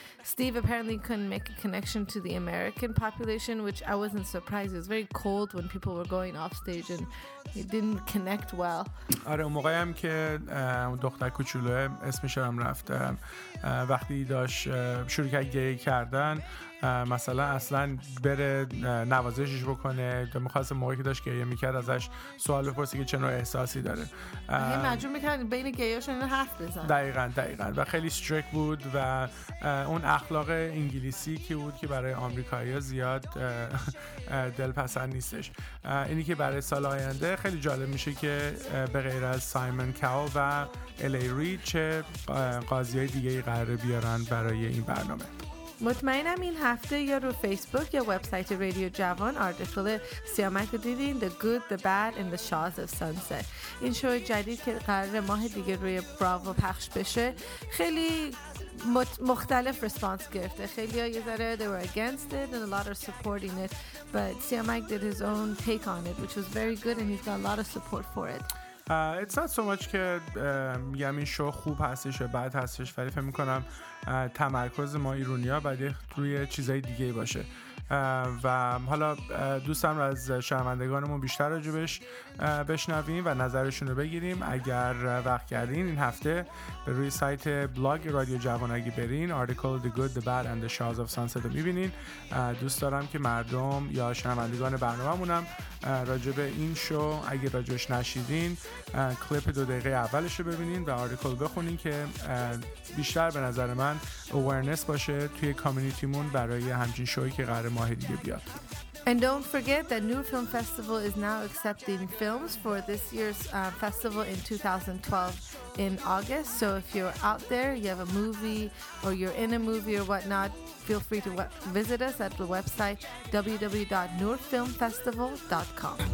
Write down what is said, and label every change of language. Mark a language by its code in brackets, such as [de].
[en] Steve apparently couldn't make a connection to the American population, which I wasn't surprised. It was very cold when people were going off stage and he didn't connect well. [fa] آره اون موقعی هم که دختر کوچولوه اسمش هم رفت وقتی داشت شروع کرد گریه کردن مثلا اصلا بره نوازشش بکنه تا می‌خواست موقعی که داشت گریه می‌کرد ازش سوال بپرسه که چه نوع احساسی داره. مجبور می‌کرد بین گریه‌هاشون حرف بزنه. دقیقاً و خیلی استریک بود و اون اخلاق انگلیسی که بود که برای آمریکایی‌ها زیاد دلپسند نیستش. اینی که برای سال آینده خیلی جالب میشه که به غیر از سایمون کاول و الی رید چه قاضیای دیگه‌ای قراره بیارن برای این برنامه. مطمئنم این هفته یا رو فیسبوک یا وبسایت رادیو جوان آرتیکل سیامک رو دیدین، The Good, The Bad and The Shaws of Sunset. این شو جدید که قرار ماه دیگه روی براو پخش بشه خیلی مختلف ریسپانس گرفته. خیلی ها یه ذره [en] they were against it and a lot are supporting it, but Siamak did his own take on it which was very good and he's got a lot of support for it. It's not so much [fa] که میگم این شو خوب هستش و بد هستش، ولی فهم میکنم تمرکز ما ایرونیا باید روی چیزای دیگه باشه و حالا دوستم رو از شنوندگانمون بیشتر راجبش بشنویم و نظرشون رو بگیریم. اگر وقت کردین این هفته به روی سایت بلاگ رادیو جوان اگه برین article The Good, The Bad and The Shaws of Sunset رو میبینین. دوست دارم که مردم یا شنوندگان برنامه مونم راجب این شو اگه راجبش نشیدین کلیپ 2 دقیقه اولش رو ببینین و article بخونین که بیشتر به نظر من awareness باشه توی کامیونیتیمون برای همچین شوی که قرار ماه دیگه بیاد. [en] And don't forget that New Film Festival is now accepting films for this year's festival in 2012 in August. So if you're out there, you have a movie or you're in a movie or whatnot, feel free to visit us at the website www.noorfilmfestival.com.